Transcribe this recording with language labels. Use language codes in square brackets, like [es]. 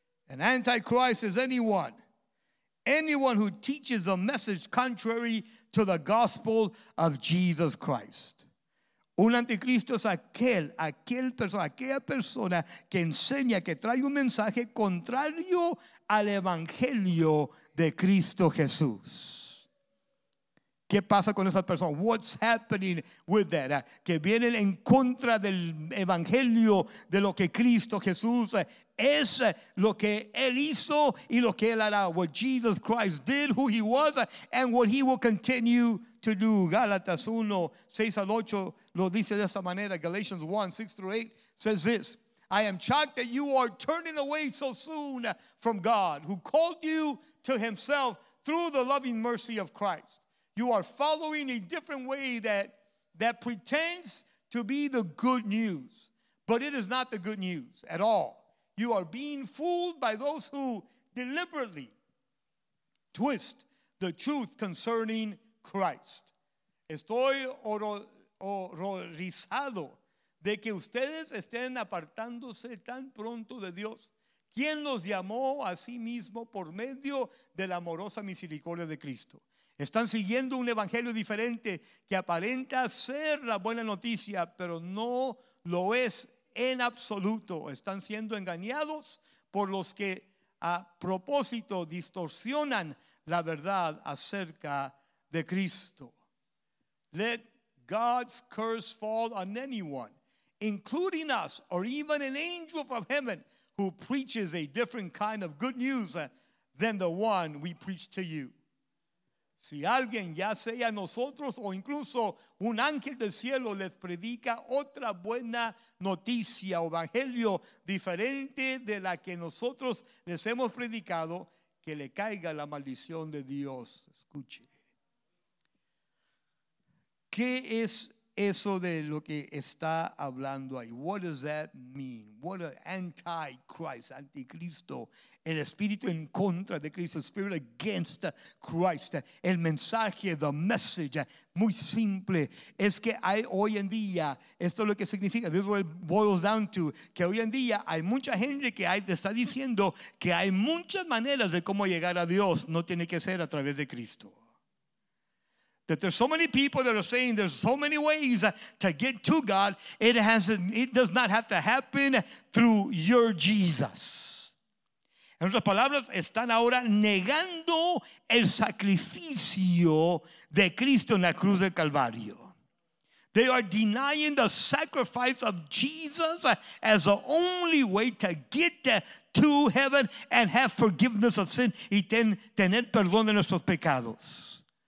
[en] An Antichrist is anyone who teaches a message contrary to the gospel of Jesus Christ. [es] Un anticristo es aquella persona que enseña, que trae un mensaje contrario al evangelio de Cristo Jesús. ¿Qué pasa con esas personas? [en] What's happening with that? [es] Que vienen en contra del evangelio de lo que Cristo Jesús es, lo que Él hizo y lo que Él hará. [en] What Jesus Christ did, who He was, and what He will continue to do. [es] Gálatas 1, 6 al 8 lo dice de esta manera. [en] Galatians 1, 6 through 8 says this. I am shocked that you are turning away so soon from God, who called you to Himself through the loving mercy of Christ. You are following a different way that pretends to be the good news, but it is not the good news at all. You are being fooled by those who deliberately twist the truth concerning Christ. [es] Estoy horrorizado de que ustedes estén apartándose tan pronto de Dios, quien los llamó a sí mismo por medio de la amorosa misericordia de Cristo. Están siguiendo un evangelio diferente que aparenta ser la buena noticia, pero no lo es en absoluto. Están siendo engañados por los que a propósito distorsionan la verdad acerca de Cristo. [en] Let God's curse fall on anyone, including us, or even an angel from heaven who preaches a different kind of good news than the one we preach to you. [es] Si alguien, ya sea nosotros o incluso un ángel del cielo, les predica otra buena noticia o evangelio diferente de la que nosotros les hemos predicado, que le caiga la maldición de Dios. Escuche. ¿Qué es eso de lo que está hablando ahí? [en] What does that mean? What an anti-Christ, [es] anticristo, el espíritu en contra de Cristo, [en] spirit against Christ. [es] El mensaje, [en] the message, [es] muy simple, es que hay hoy en día, esto es lo que significa, [en] this is what it boils down to, [es] que hoy en día hay mucha gente que está diciendo que hay muchas maneras de cómo llegar a Dios, no tiene que ser a través de Cristo. [en] That there's so many people that are saying there's so many ways to get to God, it does not have to happen through your Jesus. [es] En otras palabras, están ahora negando el sacrificio de Cristo en la cruz del Calvario. [en] They are denying the sacrifice of Jesus as the only way to get to heaven and have forgiveness of sin [es] y tener perdón de nuestros pecados.